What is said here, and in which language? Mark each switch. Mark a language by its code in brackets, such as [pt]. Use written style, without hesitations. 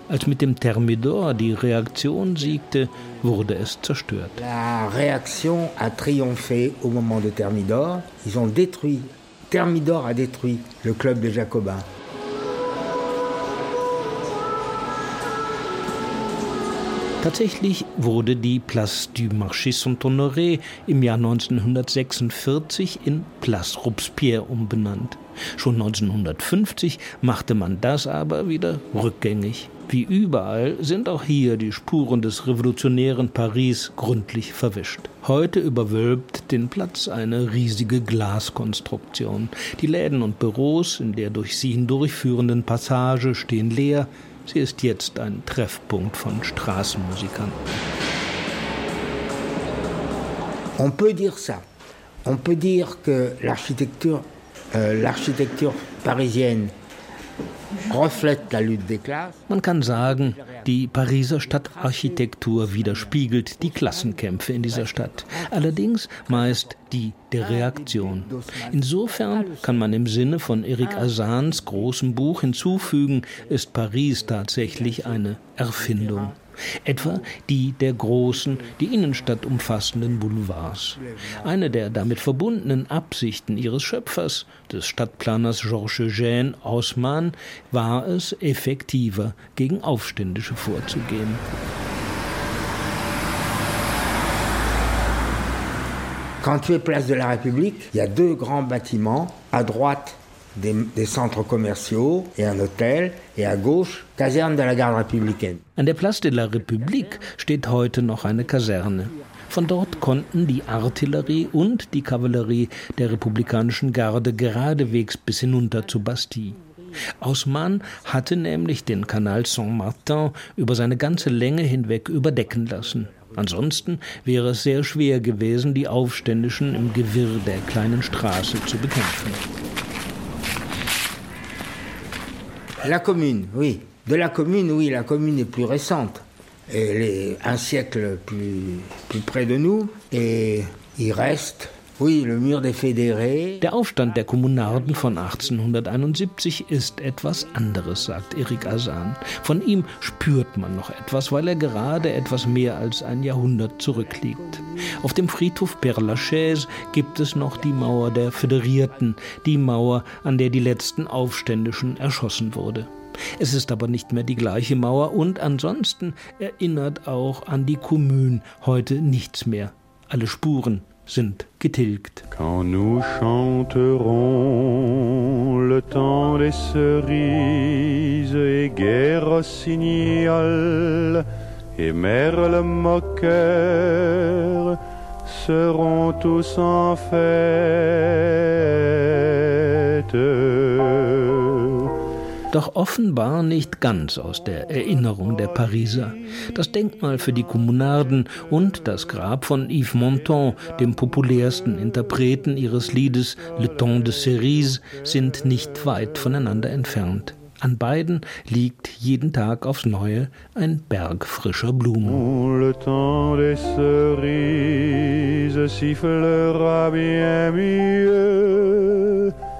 [de] Als mit dem Thermidor die Reaktion siegte, wurde es zerstört. [fr] La réaction a triomphé au moment de Thermidor. Ils ont détruit. Thermidor a détruit le club des Jacobins. [de] Tatsächlich wurde die Place du Marché Saint-Honoré im Jahr 1946 in Place Robespierre umbenannt. Schon 1950 machte man das aber wieder rückgängig. Wie überall sind auch hier die Spuren des revolutionären Paris gründlich verwischt. Heute überwölbt den Platz eine riesige Glaskonstruktion. Die Läden und Büros in der durch sie hindurchführenden Passage stehen leer. Sie ist jetzt ein Treffpunkt von Straßenmusikanten. [fr] On peut dire ça. On peut dire que l'architecture parisienne reflète la lutte des classes. [de] Man kann sagen, die Pariser Stadtarchitektur widerspiegelt die Klassenkämpfe in dieser Stadt. Allerdings meist die der Reaktion. Insofern kann man im Sinne von Eric Azans großem Buch hinzufügen, ist Paris tatsächlich eine Erfindung. Etwa die der großen, die Innenstadt umfassenden Boulevards. Eine der damit verbundenen Absichten ihres Schöpfers, des Stadtplaners Georges-Eugène Haussmann, war es, effektiver gegen Aufständische vorzugehen. [fr] Quand tu es Place de la République, il y a deux grands bâtiments, à droite des centres commerciaux et un hôtel, et à gauche, Caserne de la Garde Républicaine. [de] An der Place de la République steht heute noch eine Kaserne. Von dort konnten die Artillerie und die Kavallerie der republikanischen Garde geradewegs bis hinunter zur Bastille. Haussmann hatte nämlich den Kanal Saint-Martin über seine ganze Länge hinweg überdecken lassen. Ansonsten wäre es sehr schwer gewesen, die Aufständischen im Gewirr der kleinen Straße zu bekämpfen. [fr] La Commune, oui. De la Commune, oui, la Commune est plus récente. Elle est un siècle plus près de nous. Et il reste, oui, le mur des Fédérés. [de] Der Aufstand der Kommunarden von 1871 ist etwas anderes, sagt Eric Azan. Von ihm spürt man noch etwas, weil er gerade etwas mehr als ein Jahrhundert zurückliegt. Auf dem Friedhof Père Lachaise gibt es noch die Mauer der Föderierten, die Mauer, an der die letzten Aufständischen erschossen wurde. Es ist aber nicht mehr die gleiche Mauer und ansonsten erinnert auch an die Commune heute nichts mehr. Alle Spuren sind getilgt. [fr] Quand nous chanterons le temps des cerises et guérossignol et merle moqueur seront tous en fête. [de] Doch offenbar nicht ganz aus der Erinnerung der Pariser. Das Denkmal für die Kommunarden und das Grab von Yves Montand, dem populärsten Interpreten ihres Liedes Le Temps de Cerise, sind nicht weit voneinander entfernt. An beiden liegt jeden Tag aufs Neue ein Berg frischer Blumen. [fr] Le Temps de Cerise sifflera bien mieux.